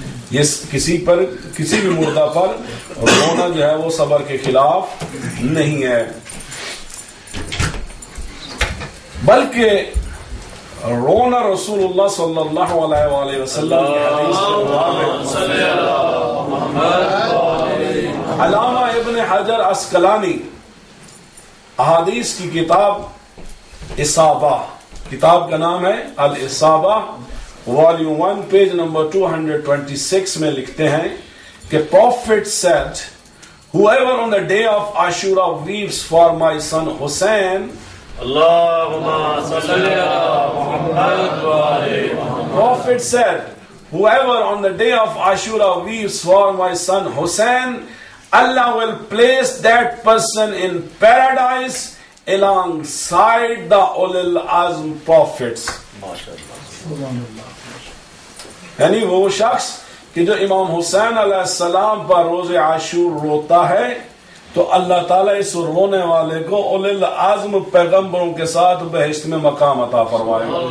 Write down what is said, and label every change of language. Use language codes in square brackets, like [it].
[ur] یہ کسی پر, کسی بھی مردہ پر رونا جو ہے وہ صبر کے خلاف نہیں ہے, بلکہ رونا رسول اللہ صلی اللہ علیہ وآلہ وسلم کی حدیث کے مطابق. علامہ ابن حجر عسقلانی احادیث کی کتاب اصابہ, کتاب کا نام ہے الاصابہ, والیوم 1 پیج نمبر 226 میں لکھتے ہیں کہ [en] Prophet said whoever on the day of Ashura weeps for my son Hussein, Prophet said, whoever on the day of Ashura weeps for my son Hussein, Allah will place that person in paradise alongside the Ulul Azm prophets. [ur] یعنی وہ شخص کہ جو امام حسین علیہ السلام پر روز عاشور روتا ہے تو اللہ تعالیٰ اس رونے والے کو اولی العزم پیغمبروں کے ساتھ بہشت میں مقام عطا فرمائے.